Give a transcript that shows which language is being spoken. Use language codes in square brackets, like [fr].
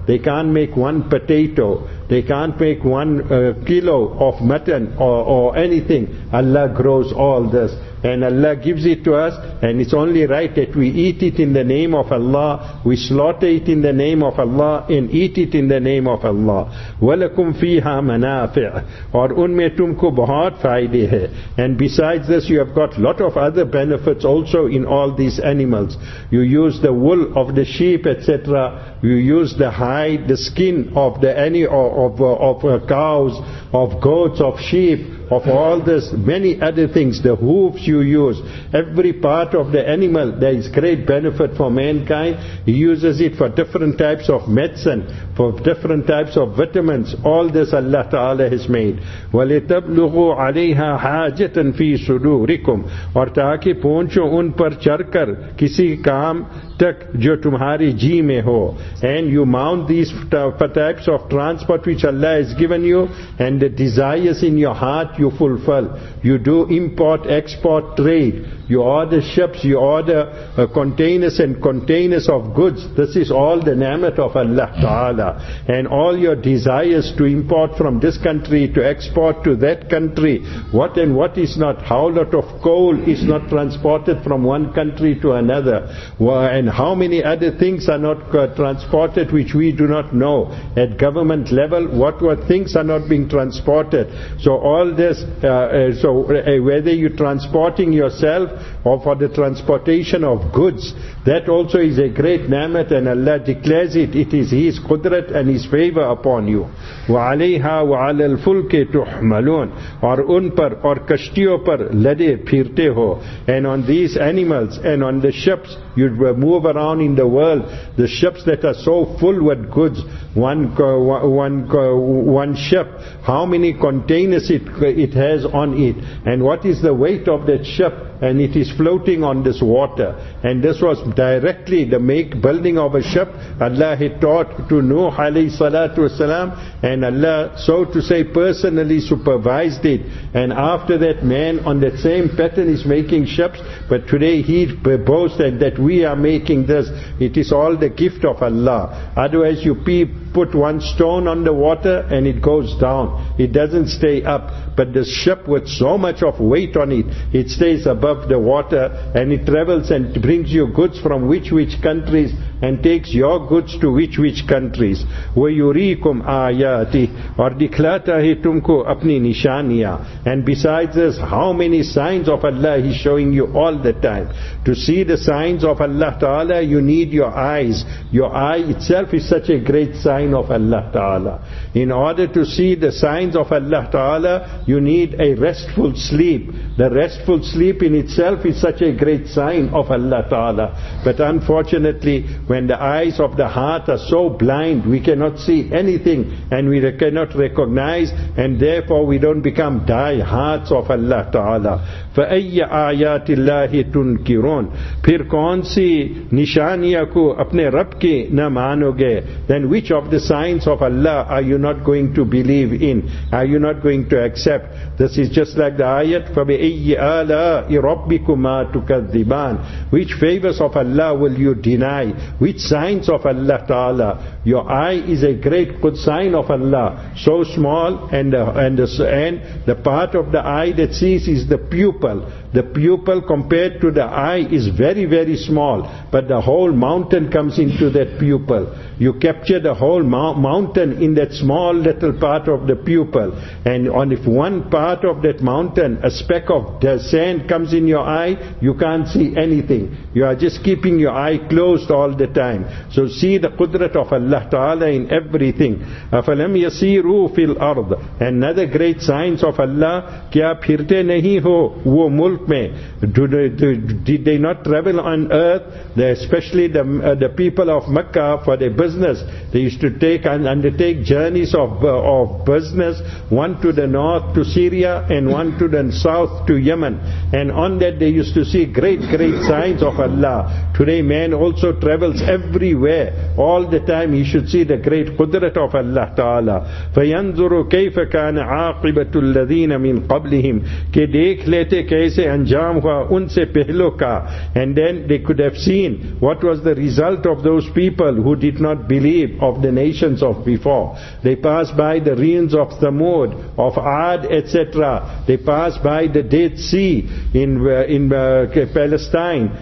[en] They can't make one potato. They can't make one kilo of mutton or anything. Allah grows all this. And Allah gives it to us, and it's only right that we eat it in the name of Allah, we slaughter it in the name of Allah, and eat it in the name of Allah. [ar] وَلَكُمْ فِيهَا مَنَافِعَ [ur] اور ان میں تم کو بہت فائدے ہیں. [en] And besides this, you have got lot of other benefits also in all these animals. You use the wool of the sheep, etc. You use the hide, the skin of the any of cows, of goats, of sheep, of all this, many other things, the hooves you use, every part of the animal, there is great benefit for mankind. He uses it for different types of medicine, for different types of vitamins. All this Allah Ta'ala has made. [ar] وَلِتَبْلُغُوا عَلَيْهَا حَاجَةً فِي صُدُورِكُمْ [ur] اور تاکہ پہنچو ان پر چڑھ کر کسی کام تک جو تمہاری جی میں ہو. [en] And you mount these types of transport which Allah has given you, and the desires in your heart you fulfill. You do import, export, trade. You order ships, you order containers and containers of goods. This is all the ni'mat of Allah Ta'ala. And all your desires to import from this country, to export to that country, what and what is not, how lot of coal is not transported from one country to another, and how many other things are not transported which we do not know. At government level, what things are not being transported. So all this, whether you're transporting yourself, or for the transportation of goods, that also is a great ni'mat, and Allah declares it. It is His qudrat and His favor upon you. [ar] وَعَلَيْهَا وَعَلَى الْفُلْكِ تُحْمَلُونَ [ur] اور ان پر اور کشتیوں پر لدے پھرتے ہو. [en] And on these animals and on the ships you move around in the world, the ships that are so full with goods, one ship, how many containers it has on it, and what is the weight of that ship, and it is floating on this water. And this was directly the building of a ship Allah had taught to Nuh alayhi salatu wasalam, and Allah, so to say, personally supervised it. And after that, man on that same pattern is making ships, but today he boasts that we are making this. It is all the gift of Allah. Otherwise you put one stone on the water and it goes down, it doesn't stay up. But the ship with so much of weight on it, it stays above the water, and it travels and brings you goods from which countries, and takes your goods to which countries. [ar] وَيُرِيكُمْ آيَاتِهِ [ur] اور دِکھلاتا ہے تم کو اپنی نشانیاں. [en] And besides this, how many signs of Allah He's showing you all the time. To see the signs of Allah Ta'ala, you need your eyes. Your eye itself is such a great sign of Allah Ta'ala. In order to see the signs of Allah Ta'ala, you need a restful sleep. The restful sleep in itself is such a great sign of Allah Ta'ala. But unfortunately, when the eyes of the heart are so blind, we cannot see anything and we cannot recognize, and therefore we don't become die hearts of Allah Ta'ala. [ar] فَأَيَّ آيَاتِ اللَّهِ تُنْكِرُونَ [ur] پھر کون سی نشانیہ کو اپنے رب کی نہ مانو گے. [en] Then which of the signs of Allah are you not going to believe in? Are you not going to accept? This is just like the ayat, [ar] فَبِأَيِّ آلَاءِ رَبِّكُمَا تُكَذِّبَانَ. [en] Which favors of Allah will you deny? Which signs of Allah Ta'ala? Your eye is a great good sign of Allah. So small, and the part of the eye that sees is the pupil. The pupil compared to the eye is very, very small, but the whole mountain comes into that pupil. You capture the whole mountain in that small little part of the pupil. And on if one part of that mountain, a speck of the sand comes in your eye, you can't see anything. You are just keeping your eye closed all the time. So see the qudrat of Allah. Allah Ta'ala in everything. [ar] أَفَلَمْ يَسِيرُوا فِي الْأَرْضِ. [en] Another great signs of Allah, [ur] کیا پھرتے نہیں ہو وہ ملک میں. [en] Did they not travel on earth? Especially the people of Mecca for their business. They used to take and undertake journeys of business, one to the north to Syria and one to the south to Yemen. And on that they used to see great signs of Allah. Today man also travels everywhere. All the time he should see the great qudrat of Allah Ta'ala. [ar] فَيَنْظُرُ كَيْفَ كَانَ عَاقِبَةُ الَّذِينَ مِنْ قَبْلِهِمْ. [ur] کہ دیکھ لیتے کیسے انجام ہوا ان سے پہلو کا. [en] And then they could have seen what was the result of those people who did not believe of the nations of before. They passed by the ruins of Thamud, of Ad, etc. They passed by the Dead Sea in Palestine.